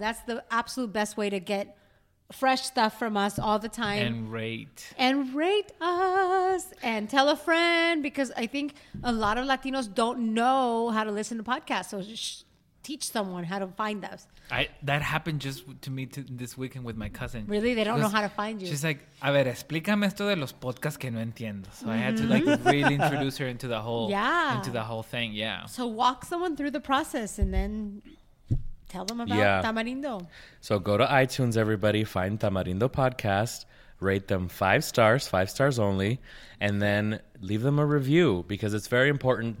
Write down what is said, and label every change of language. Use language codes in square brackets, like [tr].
[en] That's the absolute best way to get fresh stuff from us all the time. And rate. And rate us. And tell a friend, because I think a lot of Latinos don't know how to listen to podcasts. So just teach someone how to find us. That happened just to me this weekend with my cousin. Really? They don't know how to find you. She's like, [es] a ver, explícame esto de los podcasts que no entiendo. [en] So mm-hmm. I had to like really introduce her into the whole thing. Yeah. So walk someone through the process and then tell them about Tamarindo. So go to iTunes, everybody. Find Tamarindo Podcast. Rate them 5 stars, 5 stars only. And then leave them a review, because it's very important.